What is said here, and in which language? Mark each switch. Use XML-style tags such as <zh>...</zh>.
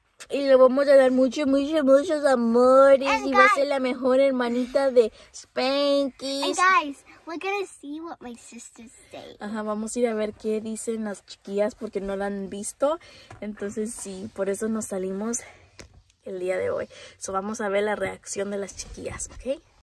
<es>Y le vamos a dar mucho, mucho, muchos amores.</es> <en>And</en> <es>y</es> <en>guys,</en> <es>va a ser la mejor hermanita de Spanky's.</es> <en>And guys, we're gonna see what my sister's saying.</en> <es>Ajá, vamos a ir a ver qué dicen las chiquillas porque no la han visto. Entonces, sí, por eso nos salimos el día de hoy. So, vamos a ver la reacción de las chiquillas, ¿ok?</es>